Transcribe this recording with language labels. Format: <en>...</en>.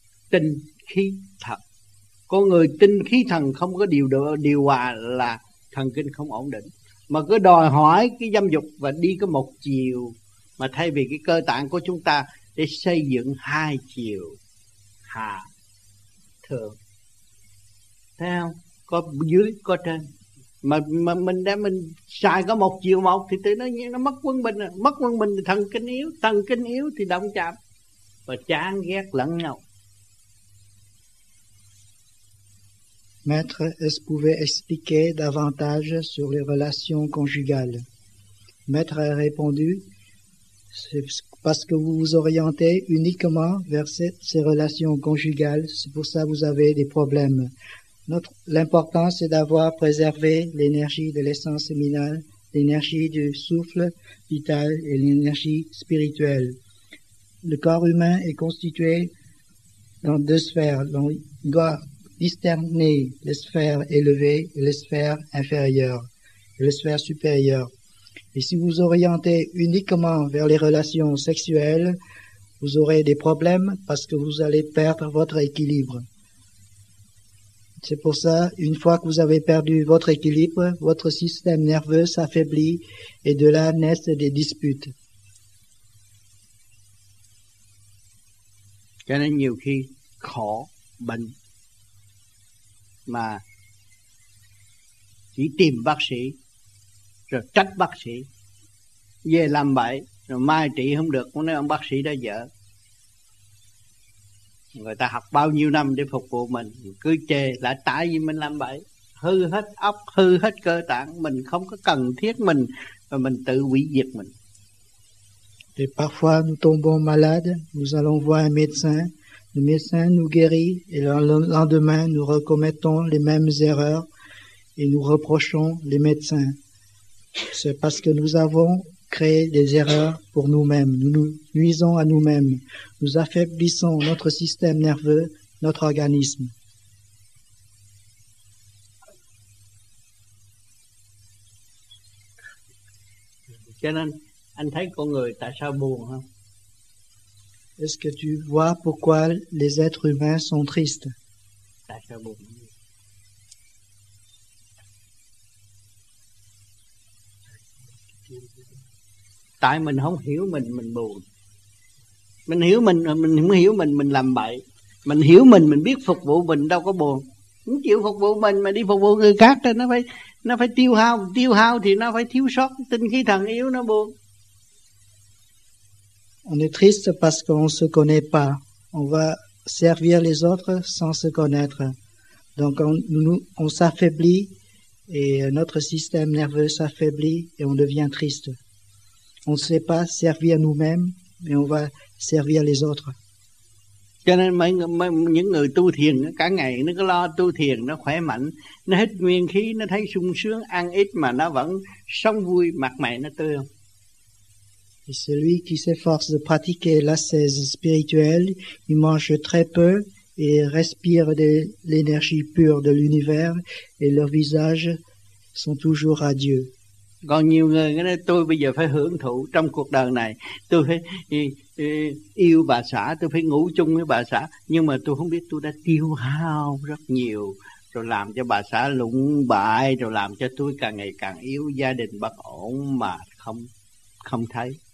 <vi>Tinh khí thần. Con người tinh khí thần không có điều hòa là thần kinh không ổn định, mà cứ đòi hỏi cái dâm dục và đi có một chiều, mà thay vì cái cơ tạng của chúng ta để xây dựng hai chiều hạ thượng. Thấy không? Có dưới có trên. Mà mình đem mình xài có một chiều một thì tự nhiên nó mất quân bình. Mất quân bình thì thần kinh yếu thì động chạm và chán ghét lẫn nhau.</vi> <fr>Maître, est-ce pouvait expliquer davantage sur les relations conjugales? Maître a répondu, c'est parce que vous vous orientez uniquement vers ces relations conjugales, c'est pour ça que vous avez des problèmes. L'important, c'est d'avoir préservé l'énergie de l'essence séminale, l'énergie du souffle vital et l'énergie spirituelle. Le corps humain est constitué dans deux sphères. On doit discerner les sphères élevées et les sphères inférieures, et les sphères supérieures. Et si vous orientez uniquement vers les relations sexuelles, vous aurez des problèmes parce que vous allez perdre votre équilibre. C'est pour ça, une fois que vous avez perdu votre équilibre, votre système nerveux s'affaiblit et de là naissent des disputes.</fr> <vi>Cho nên nhiều khi khổ, bệnh mà chỉ tìm bác sĩ rồi trách bác sĩ về làm bậy rồi mai trị không được, cũng nói ông bác sĩ đã dở. Người ta học bao nhiêu năm để phục vụ mình, cứ chê là tại vì mình làm bậy, hư hết óc, hư hết cơ tạng, mình không có cần thiết mình và mình tự hủy diệt mình.</vi> <fr>Et parfois nous tombons malades, nous allons voir un médecin, le médecin nous guérit et le lendemain nous recommettons les mêmes erreurs et nous reprochons les médecins. C'est parce que nous avons créé des erreurs pour nous-mêmes, nous nous nuisons à nous-mêmes, nous affaiblissons notre système nerveux, notre organisme.</fr> <vi>Anh thấy con người tại sao buồn không?</vi> <fr>Est-ce que tu vois pourquoi les êtres humains sont tristes?</fr> <vi>Tại sao buồn? Tại mình không hiểu mình buồn. Mình hiểu mình không hiểu mình làm bậy. Mình hiểu mình biết phục vụ mình đâu có buồn. Không chịu phục vụ mình mà đi phục vụ người khác thì nó phải tiêu hao thì nó phải thiếu sót tinh khí thần yếu nó buồn.</vi> <fr>On est triste parce qu'on ne se connaît pas. On va servir les autres sans se connaître. Donc on s'affaiblit et notre système nerveux s'affaiblit et on devient triste. On ne sait pas servir nous-mêmes, mais on va servir les autres.</fr> <vi>Cho nên những người tu thiền cả ngày nó cứ lo tu thiền, nó khỏe mạnh, nó hết nguyên khí, nó thấy sung sướng, ăn ít mà nó vẫn sống vui, mặt mày nó tươi không?</vi> <fr>Et celui qui s'efforce de pratiquer l'ascèse spirituelle, il mange très peu et respire de l'énergie pure de l'univers et leurs visages sont toujours radieux.</fr> <vi>Còn nhiều người nói tôi bây giờ phải hưởng thụ trong cuộc đời này, tôi phải yêu bà xã, tôi phải ngủ chung với bà xã, nhưng mà tôi không biết tôi đã tiêu hao rất nhiều, rồi làm cho bà xã lụng bại, rồi làm cho tôi càng ngày càng yếu, gia đình bất ổn mà không thấy.</vi>